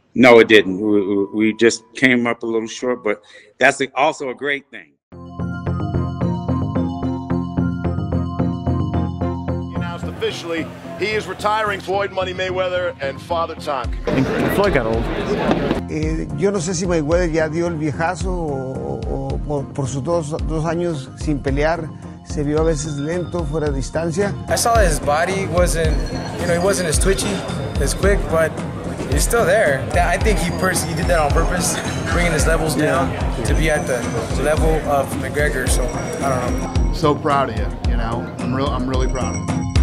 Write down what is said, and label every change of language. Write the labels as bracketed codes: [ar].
[en] No, it didn't. We just came up a little short, but that's also a great thing. Officially, he is retiring, Floyd Money Mayweather and Father Time. Floyd got old. [es] Yo no sé si Mayweather ya dio el viejazo o por sus dos años sin pelear. Se vio a veces lento, fuera de distancia. [en] I saw that his body wasn't, you know, he wasn't as twitchy, as quick, but he's still there. I think he did that on purpose, bringing his levels down to be at the level of McGregor, so I don't know. So proud of you, you know. I'm really proud of him.